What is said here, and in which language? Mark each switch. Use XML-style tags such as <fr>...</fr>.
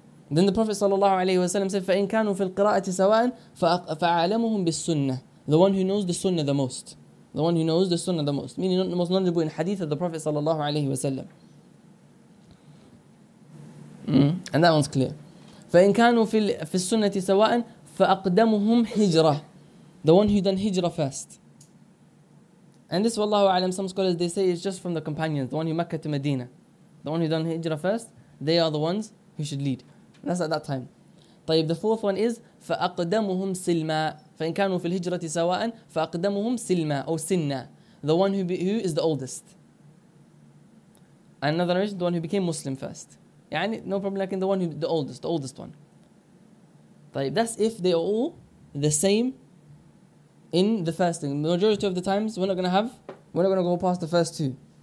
<en>Then the Prophet sallallahu alayhi wa sallam said,</en> <ar>فَإِن كَانُوا فِي الْقِرَاءَةِ سَوَاءً فَعَلَمُهُمْ بِالسُنَّةِ.</ar> <en>The one who knows the Sunnah the most. The one who knows the Sunnah the most. Meaning the most knowledgeable in hadith of the Prophet sallallahu alayhi wa sallam. And that one's clear.</en> <ar>فإن كانوا في السنة سواء فأقدمهم هجرة.</ar> <en>The one who done hijrah first. And this, wallahu a'lam, some scholars they say is just from the companions, the one who Mecca to Medina. The one who done hijrah first, they are the ones who should lead. And that's at that time. طيب, the fourth one is</en> <ar>فأقدمهم سلما. فإن كانوا في الهجرة سواء فأقدمهم سلما أو سنة.</ar> <en>The one who is the oldest. Another reason, the one who became Muslim first. يعني, no problem, like in the one who the oldest one. طيب, that's if they are all the same in the first thing. Majority of the times, we're not gonna go past the first two.</en>